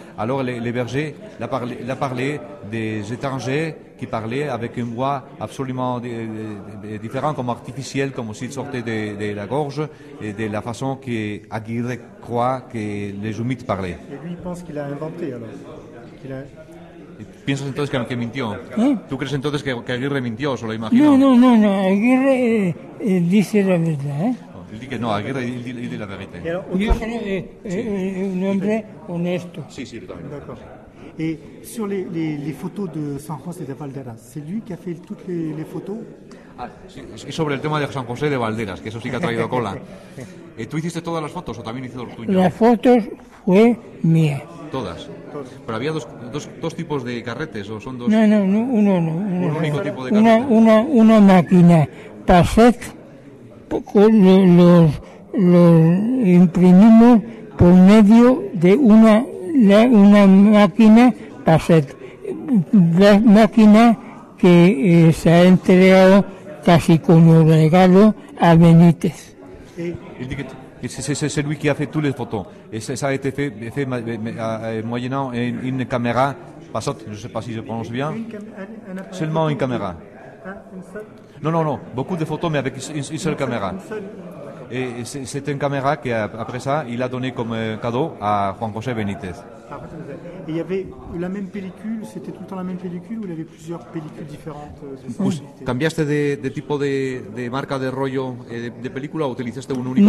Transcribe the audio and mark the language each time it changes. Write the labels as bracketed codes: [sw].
[fr] Alors le berger l'a parlé des étrangers qui parlaient avec une voix absolument différente, comme artificielle, comme s'il sortait de la gorge, et de la façon qu'Aguirre croit que les humites parlaient. Et lui, il pense qu'il a inventé, alors. [es] ¿Piensas entonces que mintió? ¿Eh? ¿Tú crees entonces que Aguirre mintió, o se lo imaginó? No, Aguirre dice la verdad, ¿eh? Él dice que no, Aguirre dice la verdad. Un hombre honesto. Sí, sí, [fr] d'accord. Et sur les photos de San José de Valderas, c'est lui qui a fait toutes les photos? [es] Ah, y sobre el tema de San José de Valderas, que eso sí que ha traído cola. ¿Tú hiciste todas las fotos o también hizo Ortuño? Las fotos fue mía. ¿Todas? Todas. ¿Pero había dos tipos de carretes o son dos? No, uno. ¿Un único tipo de carretes? Una máquina PASEC, los imprimimos por medio de una máquina PASEC. La máquina que se ha entregado casi como regalo a Benítez. Sí. Dice que es el que hace todas las fotos. Esa ETF me ha llenado en una cámara PASEC. No sé si se pronuncia bien. Solo en cámara. No. [fr] Beaucoup de [es] fotos, pero con una sola cámara. [fr] C'est une caméra que après ça il a donné comme cadeau à Juan José Benítez. Et il y avait la même pellicule, c'était tout le temps la même pellicule ou il y avait plusieurs pellicules différentes de Benítez? [es] ¿Cambiaste de tipo de marca de rollo de película o utilizaste un único